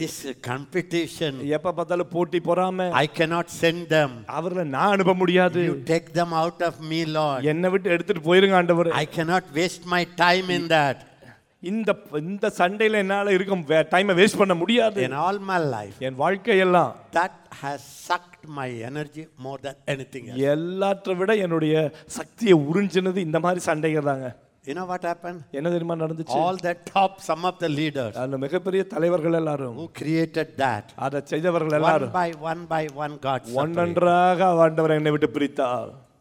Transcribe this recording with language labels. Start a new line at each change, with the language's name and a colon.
English: This competition.
Tamil: எப்ப பார்த்தாலும் போட்டி போறாம.
English: I cannot send them.
Tamil: அவர்களை நான் அனுப்ப முடியாது.
English: You take them out of me, Lord.
Tamil: என்னை விட்டு எடுத்துட்டு போயிருங்க ஆண்டவரே.
English: I cannot waste my time in that.
Tamil: இந்த சண்டையில என்னால இருக்கும் டைமை வேஸ்ட் பண்ண முடியாது.
English: In all my life,
Tamil: என் வாழ்க்கை எல்லாம்
English: that has sucked my energy more than anything else.
Tamil: எல்லாத்தை விட என்னுடைய சக்தியை உறிஞ்சினது இந்த மாதிரி சண்டைகள் தாங்க.
English: You know what happened?
Tamil: என்ன தெரியுமா நடந்துச்சு?
English: All the top, some of the leaders.
Tamil: அந்த மிகப்பெரிய தலைவர்கள் எல்லாரும்.
English: Who created that?
Tamil: அதை செய்தவர்கள் எல்லாரும்.
English: One by one God separated.
Tamil: ஒன்றாக ஆண்டவர் என்னை விட்டு பிரித்தார்.